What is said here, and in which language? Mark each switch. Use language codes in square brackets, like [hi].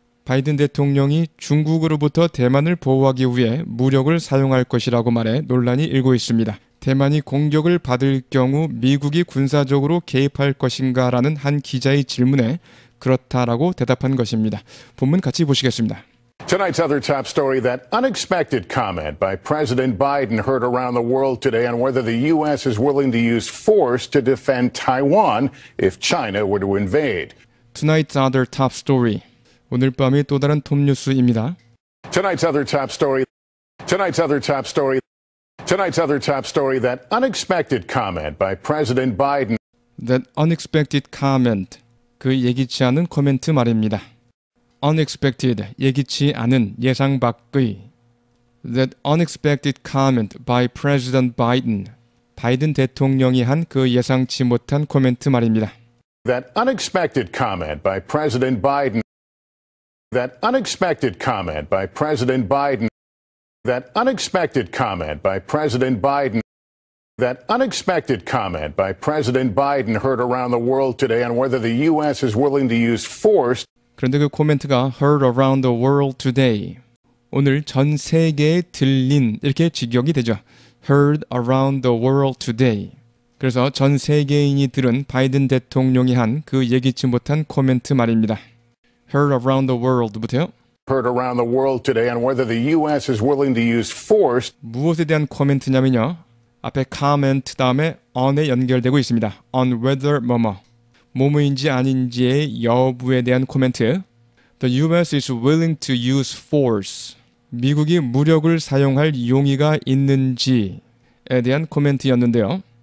[ko] 바이든 대통령이 중국으로부터 대만을 보호하기 위해 무력을 사용할 것이라고 말해 논란이 일고 있습니다. 대만이 공격을 받을 경우 미국이 군사적으로 개입할 것인가 라는 한 기자의 질문에 그렇다라고 대답한 것입니다. 본문 같이 보시겠습니다. [en] Tonight's other top story, that unexpected comment by President Biden heard around the world today on whether the U.S. is willing to use force to defend Taiwan if China were to invade. Tonight's other top story. [ko] 오늘 밤의 또 다른 톱 뉴스입니다. [en] Tonight's other top story. Tonight's other top story. Tonight's other top story, that unexpected comment by President Biden. That unexpected comment. [ko] 그 예기치 않은 코멘트 말입니다. Unexpected, 예기치 않은, 예상 밖의. [en] That unexpected comment by President Biden. [ko] 바이든 대통령이 한 그 예상치 못한 코멘트 말입니다. [en] That unexpected comment by President Biden. That unexpected comment by President Biden. That unexpected comment by President Biden. That unexpected comment by President Biden heard around the world today on whether the U.S. is willing to use force. [ko] 그런데 그 코멘트가 [en] heard around the world today. [ko] 오늘 전 세계에 들린 이렇게 직역이 되죠. [en] heard around the world today. [ko] 그래서 전 세계인이 들은 바이든 대통령이 한 그 예기치 못한 코멘트 말입니다. [en] heard around the world부터요. heard around the world today on whether the U.S. is willing to use force. [ko] 무엇에 대한 코멘트냐면요. 앞에 comment 다음에 on에 연결되고 있습니다. on whether 뭐뭐. 뭐뭐인지 아닌지의 여부에 대한 코멘트. [en] The U.S. is willing to use force. [ko] 미국이 무력을 사용할 용의가 있는지에 대한 코멘트였는데요.